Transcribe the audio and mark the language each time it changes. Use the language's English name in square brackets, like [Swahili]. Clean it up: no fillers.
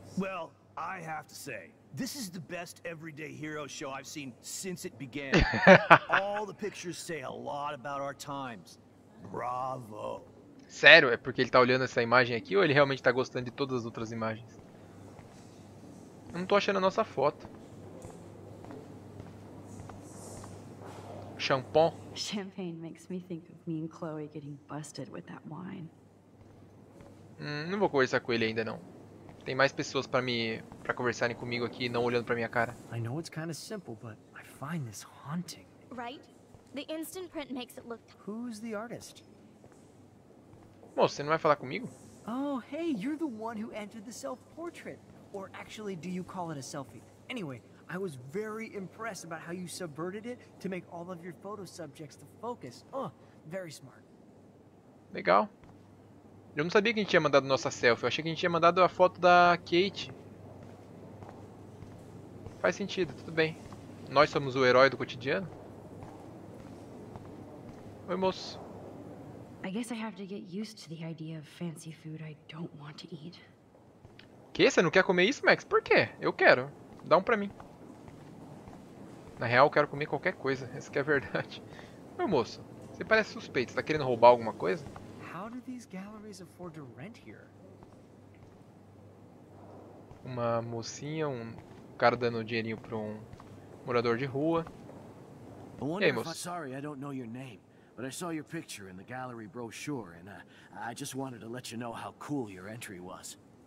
[English] Well, I have to say, this is the best everyday hero show I've seen since it began. All the pictures say a lot about our times. Bravo. [Portuguese] Sério? É porque ele tá olhando essa imagem aqui ou ele realmente tá gostando de todas as outras imagens? Eu não tô achando a nossa foto. [English] Champagne. Champagne makes me think of me and Chloe getting busted with that wine. [Portuguese] Não vou conversar com ele ainda não. Tem mais pessoas pra conversarem comigo aqui não olhando pra minha cara. [English] I know it's kind of simple, but I find this haunting. Right? The instant print makes it look. Who's the artist? [Portuguese] Moço, você não vai falar comigo? [English] Oh, hey, you're the one who entered the self-portrait. Or actually, do you call it a selfie? Anyway, I was very impressed about how you subverted it to make all of your photo subjects the focus. Oh, very smart. [Portuguese] Legal. Eu não sabia que a gente tinha mandado nossa selfie. Eu achei que a gente tinha mandado a foto da Kate. Faz sentido, tudo bem. Nós somos o herói do cotidiano? Oi, moço. [English] I guess I have to get used to the idea of fancy food I don't want to eat. [Portuguese] Que? Você não quer comer isso, Max? Por quê? Eu quero. Dá um pra mim. Na real, eu quero comer qualquer coisa. Essa que é a verdade. Oi, moço. Você parece suspeito. Você tá querendo roubar alguma coisa? [English] How do these galleries afford to rent here? [Portuguese] Uma mocinha, um cara dando dinheirinho para um morador de rua. [English] I wonder if I'm sorry, I don't know your name, but I saw your picture in the gallery brochure and I just wanted to let you know how cool your entry was.